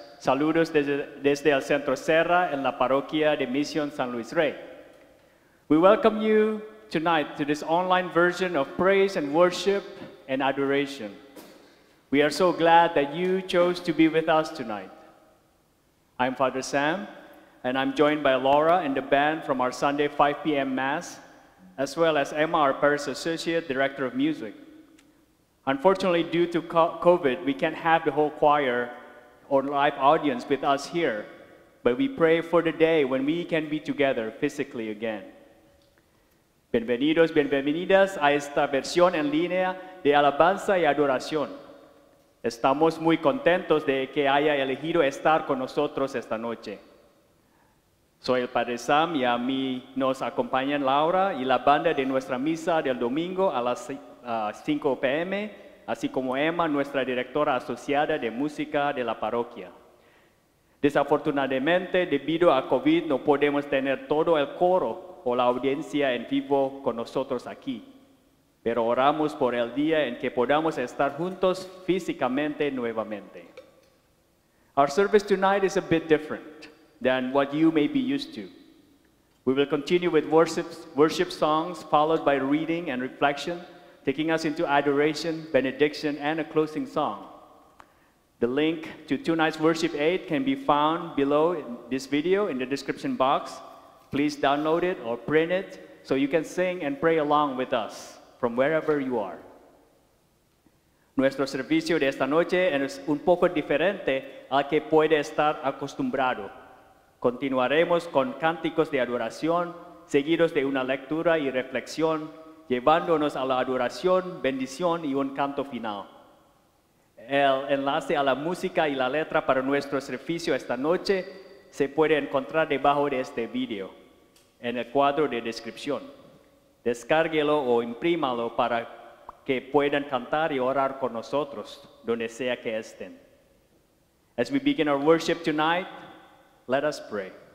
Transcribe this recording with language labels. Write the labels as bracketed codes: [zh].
[es] Saludos desde el Centro Serra en la parroquia de Mission San Luis Rey. [en] We welcome you tonight to this online version of praise and worship and adoration. We are so glad that you chose to be with us tonight. I'm Father Sam, and I'm joined by Laura and the band from our Sunday 5 p.m. Mass, as well as Emma, our Parish Associate Director of Music. Unfortunately, due to COVID, we can't have the whole choir or live audience with us here, but we pray for the day when we can be together physically again. [es] Bienvenidos, bienvenidas a esta versión en línea de alabanza y adoración. Estamos muy contentos de que haya elegido estar con nosotros esta noche. Soy el Padre Sam y a mí nos acompañan Laura y la banda de nuestra misa del domingo a las 5 p.m., así como Emma, nuestra directora asociada de música de la parroquia. Desafortunadamente, debido a COVID, no podemos tener todo el coro o la audiencia en vivo con nosotros aquí. Pero oramos por el día en que podamos estar juntos físicamente nuevamente. [en] Our service tonight is a bit different than what you may be used to. We will continue with worship songs followed by reading and reflection, taking us into adoration, benediction, and a closing song. The link to tonight's worship aid can be found below in this video in the description box. Please download it or print it so you can sing and pray along with us from wherever you are. [es] Nuestro servicio de esta noche es un poco diferente al que puede estar acostumbrado. Continuaremos con cánticos de adoración, seguidos de una lectura y reflexión, llevándonos a la adoración, bendición y un canto final. El enlace a la música y la letra para nuestro servicio esta noche se puede encontrar debajo de este video, en el cuadro de descripción. Descárguelo o imprímalo para que puedan cantar y orar con nosotros, donde sea que estén. [en] As we begin our worship tonight, let us pray.